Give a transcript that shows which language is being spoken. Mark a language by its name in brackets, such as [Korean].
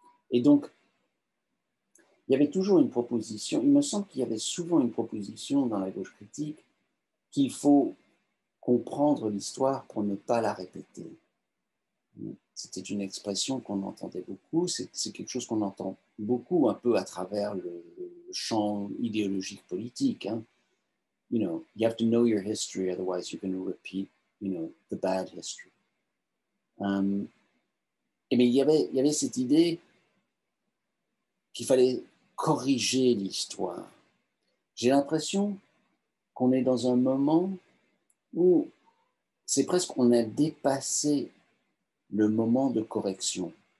[French] Et donc, il y avait toujours une proposition, il me semble qu'il y avait souvent une proposition dans la gauche critique qu'il faut comprendre l'histoire pour ne pas la répéter. C'était une expression qu'on entendait beaucoup, c'est quelque chose qu'on entend beaucoup un peu à travers le champ idéologique politique. Hein. [English] You know, you have to know your history, otherwise you're going to repeat, you know, the bad history. [French] Mais il y avait cette idée qu'il fallait corriger l'histoire. J'ai l'impression qu'on est dans un moment où c'est presque qu'on a dépassé le moment de correction.